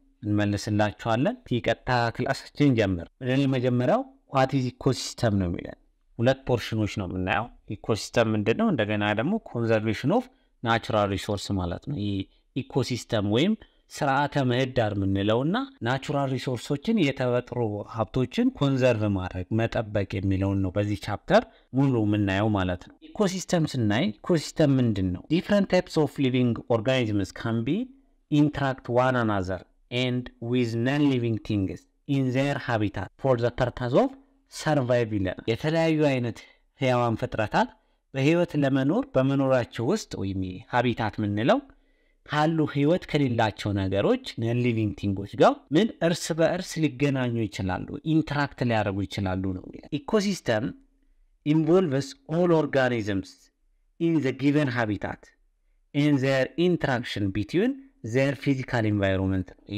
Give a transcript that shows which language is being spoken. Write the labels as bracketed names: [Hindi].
[Amharic] እንመለስላችኋለን። ቲቀጣ ክላሳችን ጀምር። እንግዲህ መጀመሪያው [English] what is ecosystem [Amharic] ነው የሚለው። ሁለት ፖርሽኖች ነው የምናየው። ኢኮሲስተም እንደነው እንደገና ደግሞ [English] conservation of natural resource [Amharic] ማለት ነው። ይሄ ecosystem ወይም ስርዓተ ምህዳር ምንለውና natural resourcesን የተፈጥሮ ሀብቶችን conserve ማድረግ መጠበቅ የሚለውን ነው በዚህ ቻፕተር ሙሉ የምናየው ማለት ነው። ኢኮሲስተምስ እና ኢኮሲስተም ምንድነው? [English] different types of living organisms can be interact one another and with non-living things in their habitat for the purpose of survival. [Amharic] የተለያዩ አይነት ህያዋን ፍጥረታት በህይወት ለመኖር በመኖራቸው ውስጥ ወይም ሀቢታት ምንለው ካሉ ህይወት ከሌላቸው ነገሮች non-living things ጋር ምን እርስ በእርስ ሊገናኙ ይችላሉ interact ሊያደርጉ ይችላሉ ነው። [English] ecosystem involves all organisms in the given habitat in their interaction between their physical environment.